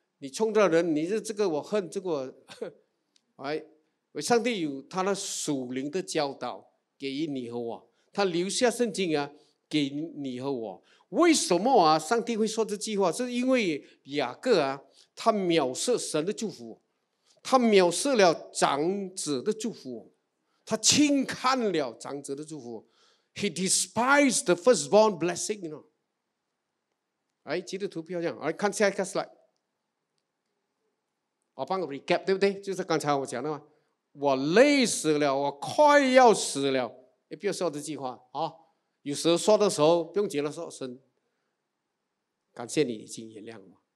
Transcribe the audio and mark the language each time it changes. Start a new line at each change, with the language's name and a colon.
Chinese: 你冲着人你是这个我恨这个我、哎、上帝有他的属灵的教导给你和我，他留下圣经啊给你和我，为什么啊上帝会说这句话？是因为雅各啊他藐视神的祝福，他藐视了长子的祝福，他轻看了长子的祝福。
English: He despised the firstborn blessing. You know?
Chinese: 哎，记得图片这样，看下一个 slide。我帮个 recap， 对不对？就是刚才我讲的嘛。我累死了，我快要死了。也不要说这句话啊。有时候说的时候不用急了说声，感谢你已经原谅我。